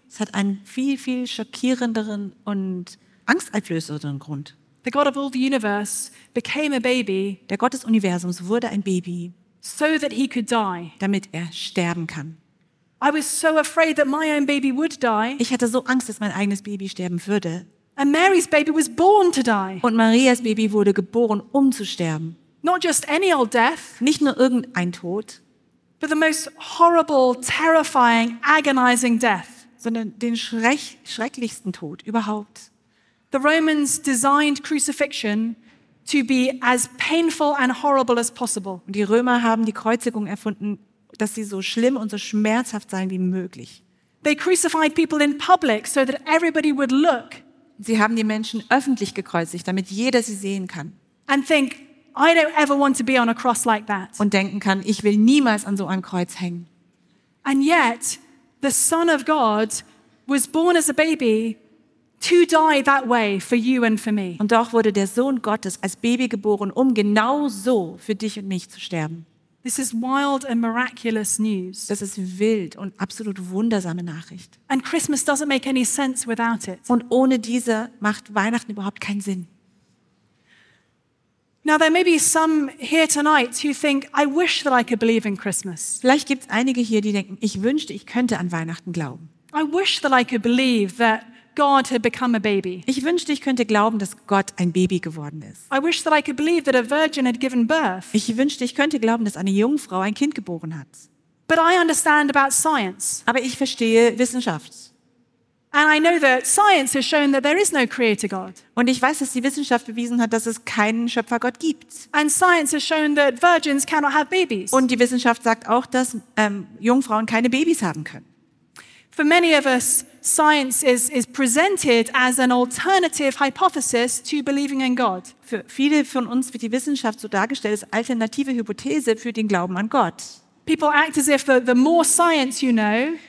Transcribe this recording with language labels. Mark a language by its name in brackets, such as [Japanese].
[German] Es hat einen viel, viel schockierenderen und angsteinflößenderen Grund. [English] The God of all the universe became a baby. [German] Der Gott des Universums wurde ein Baby. [English] So that he could die. [German] Damit er sterben kann. [English] I was so afraid that my own baby would die. [German] Ich hatte so Angst, dass mein eigenes Baby sterben würde. [English] And Mary's baby was born to die. [German] Und Marias Baby wurde geboren, um zu sterben. [English] Not just any old death, [German] nicht nur irgendein Tod, [English] but the most horrible, terrifying, agonizing death, [German] sondern den schrecklichsten Tod überhaupt. [English] The Romans designed crucifixion to be as painful and horrible as possible. [German] Und die Römer haben die Kreuzigung erfunden, dass sie so schlimm und so schmerzhaft sein wie möglich. [English] They crucified people in public so that everybody would look. [German] Sie haben die Menschen öffentlich gekreuzigt, damit jeder sie sehen kann. [English] And think, I don't ever want to be on a cross like that. [German] Und denken kann, ich will niemals an so einem Kreuz hängen. [English] And yet, the Son of God was born as a baby to die that way for you and for me. [German] Und doch wurde der Sohn Gottes als Baby geboren, um genau so für dich und mich zu sterben. [English] This is wild and miraculous news. [German] Das ist wild und absolut wundersame Nachricht. [English] And Christmas doesn't make any sense without it. [German] Und ohne diese macht Weihnachten überhaupt keinen Sinn. [English] Now there may be some here tonight who think, I wish that I could believe in Christmas. [German] Vielleicht gibt's einige hier, die denken, ich wünschte, ich könnte an Weihnachten glauben. [English] I wish that I could believe that God had become a baby. [German] Ich wünschte, ich könnte glauben, dass Gott ein Baby geworden ist. [English] I wish that I could believe that a virgin had given birth. [German] Ich wünschte, ich könnte glauben, dass eine Jungfrau ein Kind geboren hat. [English] But I understand about science. [German] Aber ich verstehe Wissenschaft. [English] And I know that science has shown that there is no creator God. [German] Und ich weiß, dass die Wissenschaft bewiesen hat, dass es keinen Schöpfergott gibt. [English] And science has shown that virgins cannot have babies. [German] Und die Wissenschaft sagt auch, dass Jungfrauen keine Babys haben können. [English] For many of us, science is presented as an alternative hypothesis to believing in God. [German] Für viele von uns wird die Wissenschaft so dargestellt als alternative Hypothese für den Glauben an Gott. [English] People act as if the more science you know,